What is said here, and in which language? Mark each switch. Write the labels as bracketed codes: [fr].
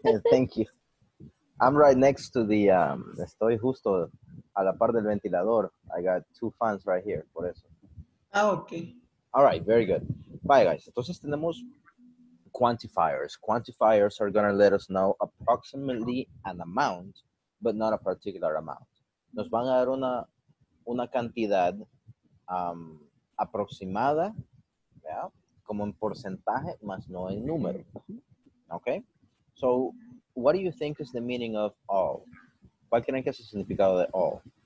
[en] Thank you. I'm right next to the, [es] estoy justo a la par del ventilador. [en] I got two fans right here, [es] por eso. [en] Ah, okay. All right, very good. Bye, guys. [es] Entonces tenemos [en] quantifiers. Quantifiers are going to let us know approximately an amount, but not a particular amount. [es] Nos van a dar una cantidad aproximada, yeah, como en porcentaje, más no en número. [en] Okay? So, what do you think is the meaning of all? [es] ¿Cuál creen que es el significado de all?